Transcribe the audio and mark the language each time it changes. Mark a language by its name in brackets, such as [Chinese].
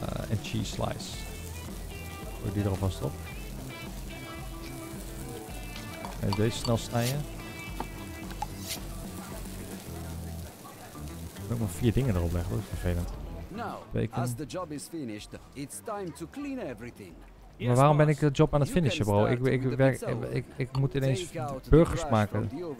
[Dutch] En cheese slice. Gooi die er alvast op. En deze snel snijden. Ik moet nog 4 dingen erop leggen, dat is vervelend. Bacon. [English] As the job is finished, it's time to clean everything. [Dutch] Maar waarom ben ik de job aan het finishen, bro? Ik moet ineens burgers maken.